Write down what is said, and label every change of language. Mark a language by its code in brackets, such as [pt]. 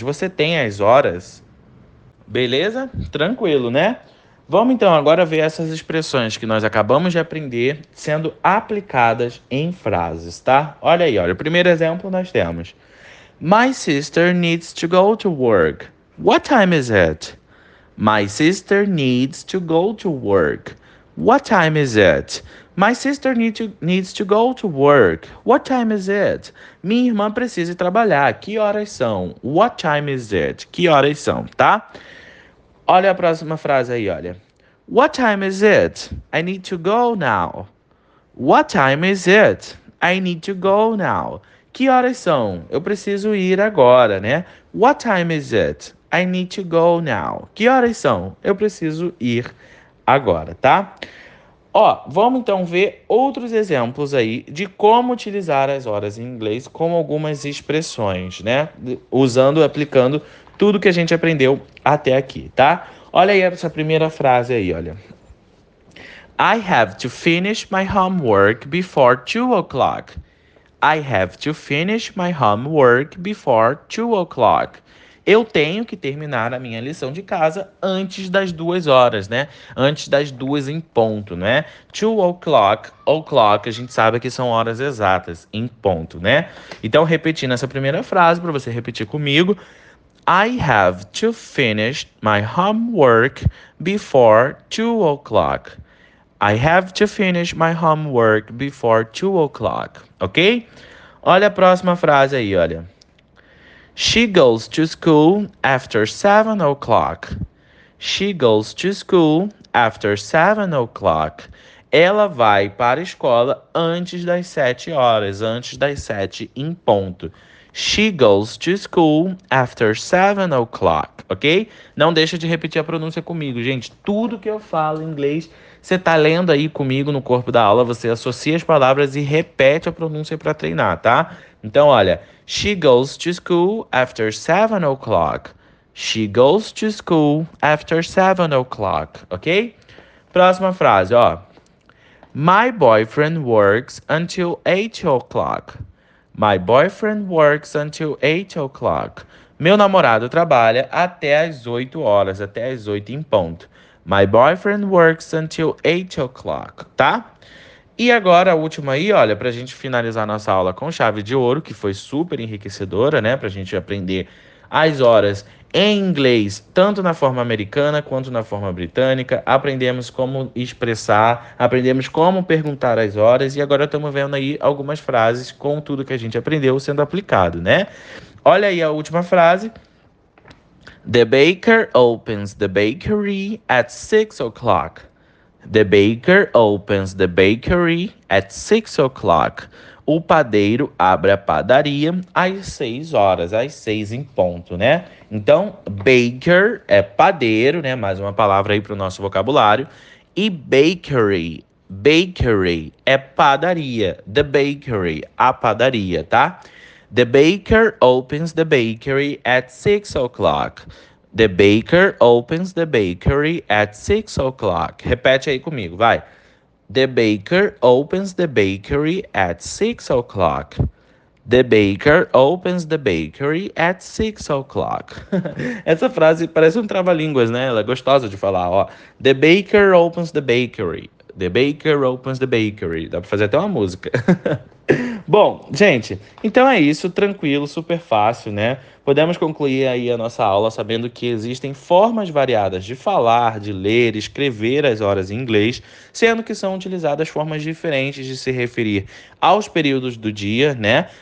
[pt] Você tem as horas? Beleza? Tranquilo, né? Vamos então agora ver essas expressões que nós acabamos de aprender sendo aplicadas em frases, tá? Olha aí, olha. O primeiro exemplo nós temos: [en] My sister needs to go to work. What time is it? My sister needs to go to work. What time is it? My sister needs to go to work. What time is it? [pt] Minha irmã precisa trabalhar. Que horas são? [en] What time is it? [pt] Que horas são, tá? Olha a próxima frase aí, olha. [en] What time is it? I need to go now. What time is it? I need to go now. [pt] Que horas são? Eu preciso ir agora, né? [en] What time is it? I need to go now. [pt] Que horas são? Eu preciso ir agora, tá? Ó, vamos então ver outros exemplos aí de como utilizar as horas em inglês com algumas expressões, né? Usando, aplicando tudo que a gente aprendeu até aqui, tá? Olha aí essa primeira frase aí, olha. [en] I have to finish my homework before 2 o'clock. I have to finish my homework before 2 o'clock. [pt] Eu tenho que terminar a minha lição de casa antes das 2 horas, né? Antes das 2 em ponto, né? 2 o'clock, o'clock, a gente sabe que são horas exatas em ponto, né? Então, repetindo essa primeira frase para você repetir comigo. [en] I have to finish my homework before 2 o'clock. I have to finish my homework before 2 o'clock. Ok? [pt] Olha a próxima frase aí, olha. [en] She goes to school after 7 o'clock. She goes to school after 7 o'clock. [pt] Ela vai para a escola antes das 7 horas, antes das 7 em ponto. [en] She goes to school after 7 o'clock, ok? [pt] Não deixa de repetir a pronúncia comigo, gente. Tudo que eu falo em inglês, você tá lendo aí comigo no corpo da aula, você associa as palavras e repete a pronúncia para treinar, tá? Então, olha, [en] she goes to school after 7 o'clock. She goes to school after 7 o'clock, ok? [pt] Próxima frase, ó. [en] My boyfriend works until 8 o'clock. My boyfriend works until 8 o'clock. [pt] Meu namorado trabalha até as 8 horas, até as 8 em ponto. [en] My boyfriend works until 8 o'clock, tá? [pt] E agora a última aí, olha, pra gente finalizar nossa aula com chave de ouro, que foi super enriquecedora, né? Pra gente aprender as horas em inglês, tanto na forma americana quanto na forma britânica. Aprendemos como expressar, aprendemos como perguntar as horas e agora estamos vendo aí algumas frases com tudo que a gente aprendeu sendo aplicado, né? Olha aí a última frase. [en] The baker opens the bakery at 6 o'clock. The baker opens the bakery at 6 o'clock. [pt] O padeiro abre a padaria às 6 horas, às 6 em ponto, né? Então, baker é padeiro, né? Mais uma palavra aí para o nosso vocabulário. E bakery, bakery é padaria. The bakery, a padaria, tá? [en] The baker opens the bakery at 6 o'clock. The baker opens the bakery at 6 o'clock. [pt] Repete aí comigo, vai. [en] The baker opens the bakery at 6 o'clock. The baker opens the bakery at 6 o'clock. [pt] Essa frase parece um trava-línguas, né? Ela é gostosa de falar, ó. [en] The baker opens the bakery. The baker opens the bakery. [pt] Dá pra fazer até uma música. Bom, gente, então é isso. Tranquilo, super fácil, né? Podemos concluir aí a nossa aula sabendo que existem formas variadas de falar, de ler, escrever as horas em inglês, sendo que são utilizadas formas diferentes de se referir aos períodos do dia, né?